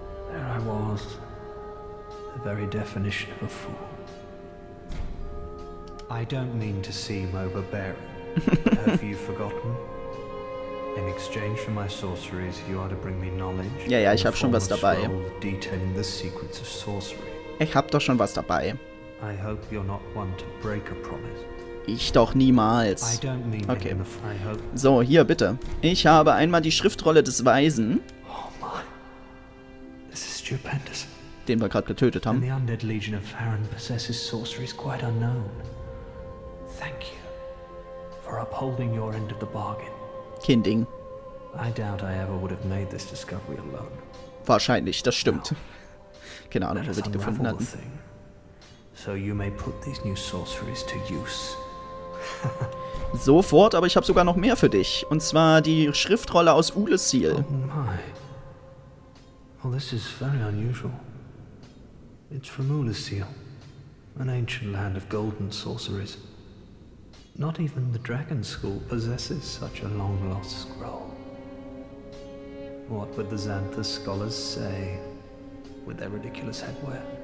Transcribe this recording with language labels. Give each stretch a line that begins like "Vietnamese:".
English: There I was. The very definition of a fool. I don't mean to seem overbearing, but have you forgotten? In exchange for my sorceries, you are to bring me knowledge.
German: Ja, ja, ich hab schon was dabei.
English: Detailing the secrets of sorcery.
German: Ich hab doch schon was dabei.
English: I hope you're not one to break a promise.
German: Ich doch niemals.
English: I don't mean
German: okay. So, hier, bitte. Ich habe einmal die Schriftrolle des Weisen.
English: Oh my. This is stupendous.
German: Den wir gerade getötet haben.
English: And the undead legion of Farron possesses sorceries quite unknown. Thank you for upholding your end of the bargain.
German: Kein Ding.
English: I doubt I ever would have made this discovery alone.
German: Wahrscheinlich, das stimmt. Keine Ahnung, wo wir die gefunden hatten.
English: So you may put these new sorceries to use.
German: Sofort, aber ich habe sogar noch mehr für dich. Und zwar die Schriftrolle aus Ulesiel.
English: Oh my. Well, this is very unusual. It's from Ulesiel, an ancient land of golden sorceries. Not even the Dragon School possesses such a long-lost scroll. What would the Xanthus scholars say with their ridiculous headwear?